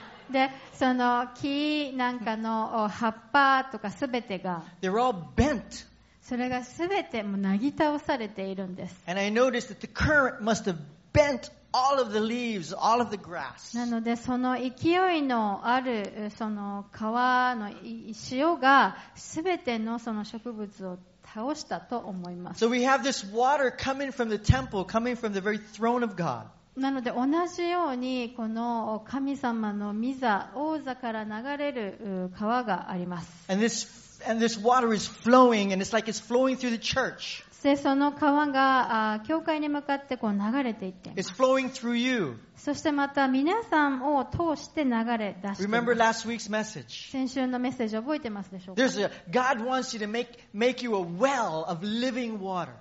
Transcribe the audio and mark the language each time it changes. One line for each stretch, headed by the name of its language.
Japanese: で、その木なんかの葉っぱとかすべてが、
English: They're all bent.
Japanese: それがすべてもうなぎ倒されているんです。
English: And I noticed that the current must have bent all of the leaves, all of the grass.
Japanese: なので、その勢いのあるその川の潮がすべてのその植物を倒したと思います。
English: So we have this water coming from the temple, coming from the very throne of God.
Japanese: なので同じようにこの神様の御座、王座から流れる川があります。
English: and this water is flowing and it's like it's flowing through the church.
Japanese: でその川が教会に向かってこう流れていっています。
English: It's flowing through you.
Japanese: そしてまた皆さんを通して流れ出して。
English: Remember last week's message.
Japanese: 先週のメッセージ覚えてますでしょうか。
English: There's a, God wants you to make you a well of living water.